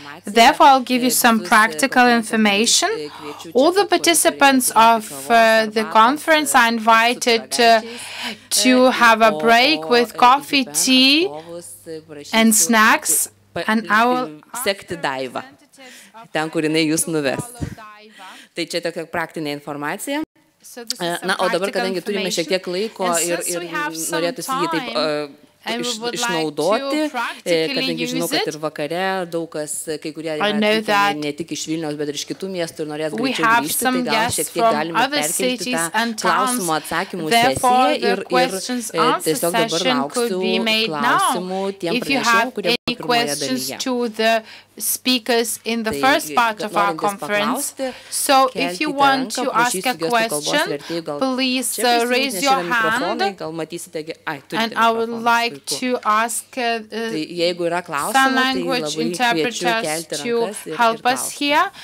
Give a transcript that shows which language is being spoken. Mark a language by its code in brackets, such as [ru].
[en] Therefore, I'll give you some practical information. All the participants of the conference are invited to have a break with coffee, tea, and snacks, and I will [lt] sekti daivą, ten kur jinai jus nuves. Tai čia tokia praktinė informacija. Na, o dabar, kadangi turime šiek tiek laiko ir norėtųsi jį taip išnaudoti, kadangi žinau, kad ir vakare daug kas, kai kurie ne tik iš Vilniaus, bet ir iš kitų miestų ir norės greičiau grįžti, tai gal šiek tiek galime perkelti tą klausimų atsakymų sesiją ir tiesiog dabar lauksiu klausimų tiem pranešimų, kurie buvo pirmoje dalyje. [en] Speakers in the first part of our conference. So if you want to ask a question, please raise your hand and I would like to ask some language interpreters to help us here.